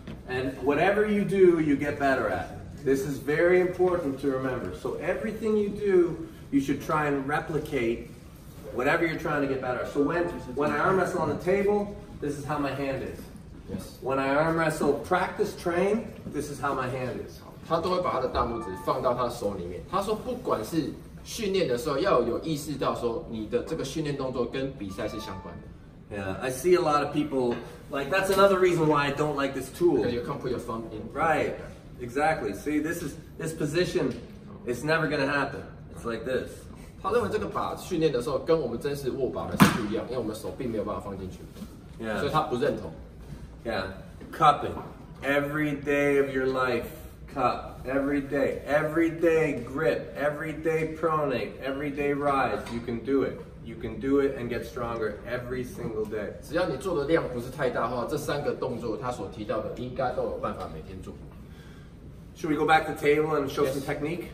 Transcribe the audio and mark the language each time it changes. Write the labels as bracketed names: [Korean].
[English] And whatever you do, you get better at. This is very important to remember. So everything you do, you should try and replicate whatever you're trying to get better at. So when I arm wrestle on the table, this is how my hand is. Yes. When I arm wrestle practice train, this is how my hand is. [Chinese] 他都会把他的大拇指放到他的手里面。他说不管是训练的时候要有意识到说你的这个训练动作跟比赛是相关的。 [English] Yeah, I see a lot of people, like that's another reason why I don't like this tool. Because you can't put your thumb in. Right, exactly. See, this position, it's never going to happen. It's like this. [Chinese] 他认为这个把训练的时候跟我们真实握把的是不一样，因为我们手并没有办法放进去。 [English] Yeah. [Chinese] 所以他不认同。 [English] Yeah, cupping. Every day of your life, cup. Every day grip. Every day pronate. Every day rise. You can do it. You can do it and get stronger every single day. [Chinese] 只要你做的量不是太大的话，这三个动作他所提到的应该都有办法每天做。 [English] Should we go back to table and show some technique?